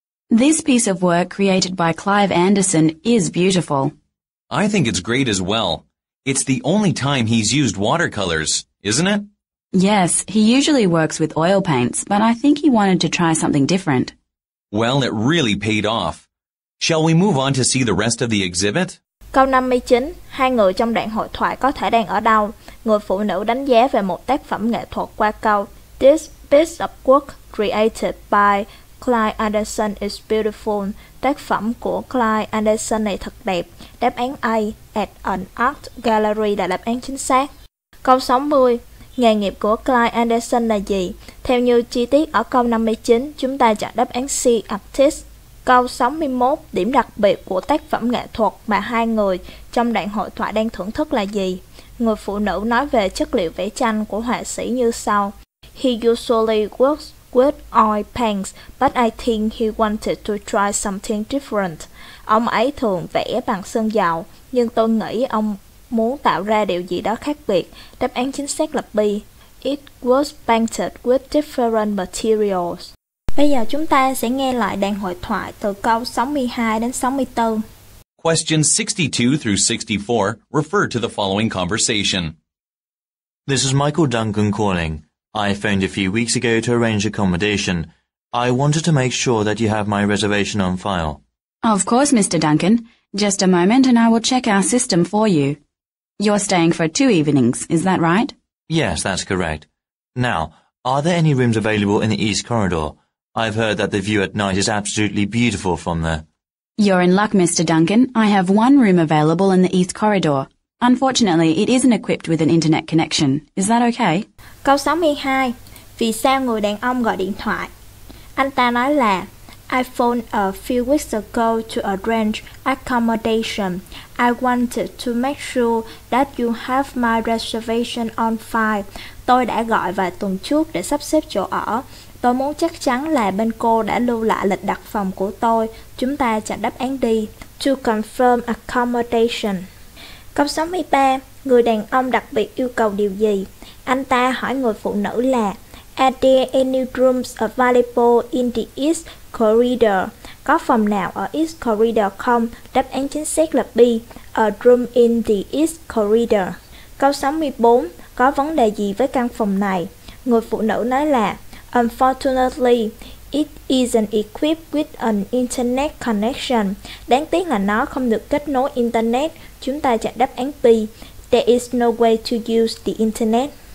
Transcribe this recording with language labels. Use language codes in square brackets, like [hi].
[en] This piece of work created by Clive Anderson is beautiful. I think it's great as well. It's the only time he's used watercolors, isn't it? Yes, he usually works with oil paints, but I think he wanted to try something different. Well, it really paid off. Shall we move on to see the rest of the exhibit? [vi] Câu 59, hai người trong đoạn hội thoại có thể đang ở đâu? Người phụ nữ đánh giá về một tác phẩm nghệ thuật qua câu [en] This piece of work created by Clive Anderson is beautiful. [vi] Tác phẩm của Clive Anderson này thật đẹp. Đáp án A [en] at an art gallery [vi] là đáp án chính xác. Câu 60, nghề nghiệp của Clive Anderson là gì? Theo như chi tiết ở câu 59, chúng ta chọn đáp án C, artist. Câu 61, điểm đặc biệt của tác phẩm nghệ thuật mà hai người trong đoạn hội thoại đang thưởng thức là gì? Người phụ nữ nói về chất liệu vẽ tranh của họa sĩ như sau. [en] He usually works with oil paints, but I think he wanted to try something different. [vi] Ông ấy thường vẽ bằng sơn dầu, nhưng tôi nghĩ ông muốn tạo ra điều gì đó khác biệt. Đáp án chính xác là B. [en] It was painted with different materials. [vi] Bây giờ chúng ta sẽ nghe lại đoạn hội thoại từ câu 62 đến 64. [en] Questions 62 through 64 refer to the following conversation. This is Michael Duncan calling. I phoned a few weeks ago to arrange accommodation. I wanted to make sure that you have my reservation on file. Of course, Mr. Duncan. Just a moment and I will check our system for you. You're staying for two evenings, is that right? Yes, that's correct. Now, are there any rooms available in the East Corridor? I've heard that the view at night is absolutely beautiful from there. You're in luck, Mr. Duncan. I have one room available in the East Corridor. Unfortunately, it isn't equipped with an internet connection. Is that okay? [vi] Câu 62. Vì sao người đàn ông gọi điện thoại? Anh ta nói là [en] I phoned a few weeks ago to arrange accommodation. I wanted to make sure that you have my reservation on file. [vi] Tôi đã gọi vài tuần trước để sắp xếp chỗ ở. Tôi muốn chắc chắn là bên cô đã lưu lại lịch đặt phòng của tôi. Chúng ta chọn đáp án D. [en] To confirm accommodation. [vi] Câu 63. Người đàn ông đặc biệt yêu cầu điều gì? Anh ta hỏi người phụ nữ là [en] Are there any rooms available in the East Corridor? [vi] Có phòng nào ở East Corridor không? Đáp án chính xác là B. [en] A room in the East Corridor. [vi] Câu 64. Có vấn đề gì với căn phòng này? Người phụ nữ nói là [en] Unfortunately, it isn't equipped with an internet connection. [vi] Đáng tiếc là nó không được kết nối internet. Chúng ta chọn đáp án B. [en] There is no way to use the internet.